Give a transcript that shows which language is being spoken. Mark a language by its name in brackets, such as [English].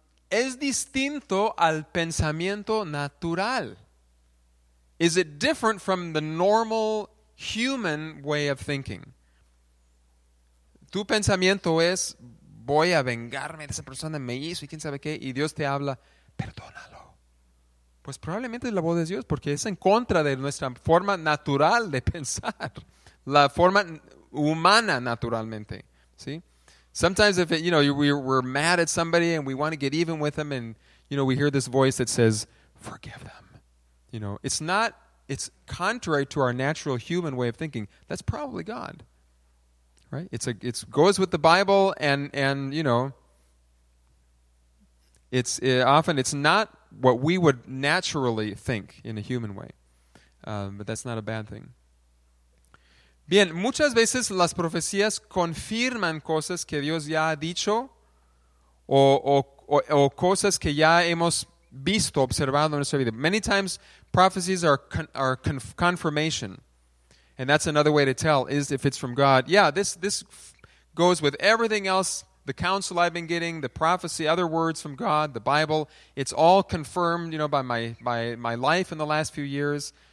[Spanish] Es distinto al pensamiento natural. [English] Is it different from the normal human way of thinking? [Spanish] Tu pensamiento es, voy a vengarme de esa persona, me hizo y quién sabe qué, y Dios te habla, perdónalo. Pues probablemente es la voz de Dios, porque es en contra de nuestra forma natural de pensar, la forma humana naturalmente, ¿sí? [English] Sometimes if it, you know, we're mad at somebody and we want to get even with them, and you know, we hear this voice that says, forgive them. You know, it's contrary to our natural human way of thinking. That's probably God, right? It goes with the Bible, and you know, it's often not what we would naturally think in a human way, but that's not a bad thing. [Spanish] Bien, muchas veces las profecías confirman cosas que Dios ya ha dicho, o cosas que ya hemos visto, observado en nuestra vida. [English] Many times prophecies are confirmation, and that's another way to tell is if it's from God. Yeah, this goes with everything else, the counsel I've been getting, the prophecy, other words from God, the Bible. It's all confirmed, you know, by my life in the last few years.